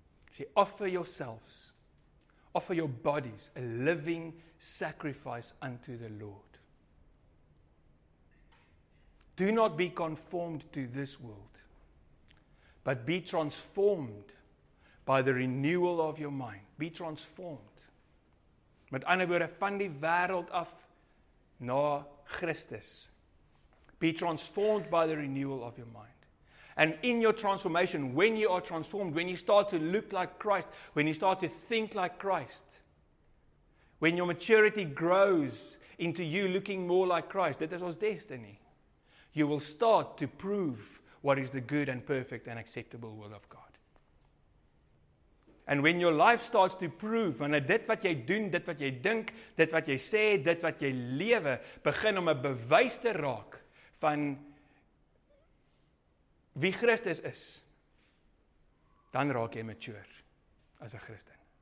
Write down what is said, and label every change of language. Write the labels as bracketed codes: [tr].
[en] Sê, offer yourselves, offer your bodies a living sacrifice unto the Lord. Do not be conformed to this world, but be transformed by the renewal of your mind. Be transformed. [af] Met ander woorde, van die wêreld af na Christus. [en] Be transformed by the renewal of your mind. And in your transformation, when you are transformed, when you start to look like Christ, when you start to think like Christ, when your maturity grows into you looking more like Christ, that is our destiny, you will start to prove what is the good and perfect and acceptable will of God. And when your life starts to prove, [af] wanneer dit wat jy doen, dit wat jy dink, dit wat jy sê, dit wat jy lewe, begin om 'n bewys te raak, van wie Christus is, dan raak jy mature as 'n Christen.